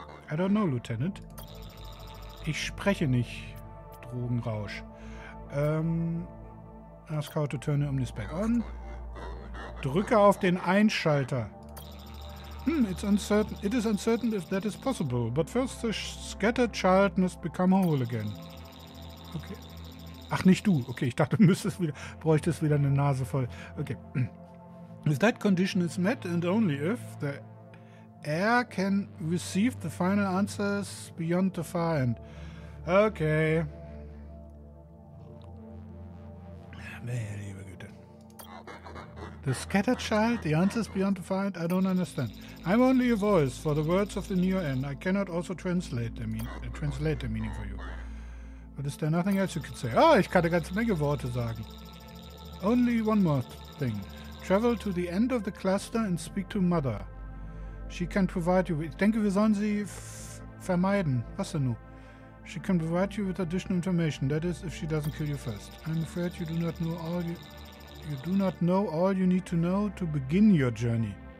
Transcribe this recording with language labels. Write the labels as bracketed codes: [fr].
[en] I don't know, Lieutenant. [de] Ich spreche nicht. Drogenrausch. [en] Ask how to turn the Omnis back on. [de] Drücke auf den Einschalter. [en] It is uncertain if that is possible, but first the scattered child must become whole again. [de] Okay. Ach, nicht du. Okay, ich dachte, bräuchtest wieder eine Nase voll. [en] Okay. If that condition is met and only if the air can receive the final answers beyond the far end. Okay. [de] Meine liebe Güte. [en] The scattered child, the answers beyond the far end, I don't understand. I'm only a voice for the words of the Neo N. I cannot also translate the meaning for you. But is there nothing else you could say? [de] Oh, ich kann eine ganze Menge Worte sagen. [en] Only one more thing. Travel to the end of the cluster and speak to Mother. She can provide you with... [de] Ich denke, wir sollen sie vermeiden. Was denn nun? [en] She can provide you with additional information. That is, if she doesn't kill you first. I'm afraid you do not know all you need to know to begin your journey.